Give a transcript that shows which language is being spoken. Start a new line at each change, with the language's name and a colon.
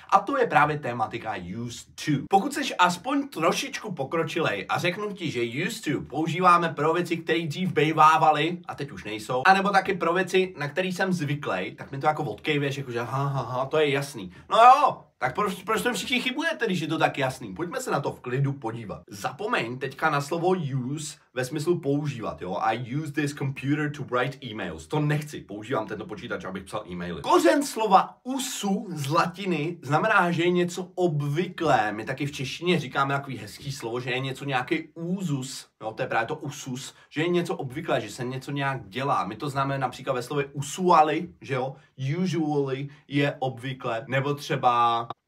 Czech: A to je právě tématika YouTube. Pokud jsi aspoň trošičku pokročilej a řeknu ti, že YouTube používáme pro věci, které dřív bejvávaly a teď už nejsou, anebo taky pro věci, na který jsem zvyklej, tak mi to jako odkejvěš, jakože ha, to je jasný. No jo, tak proč to všichni chybujete, když je to tak jasný? Pojďme se na to v klidu podívat. Zapomeň teďka na slovo use ve smyslu používat, jo?
English: I use this computer to write emails.
Czech: To nechci, používám tento počítač, abych psal e-maily. Kořen slova usu z latiny znamená, že je něco obvyklé. My taky v češtině říkáme takový hezký slovo, že je něco nějaký úzus, jo? To je právě to usus, že je něco obvyklé, že se něco nějak dělá. My to známe například ve slově usually, že jo? Usually je obvykle, nebo třeba...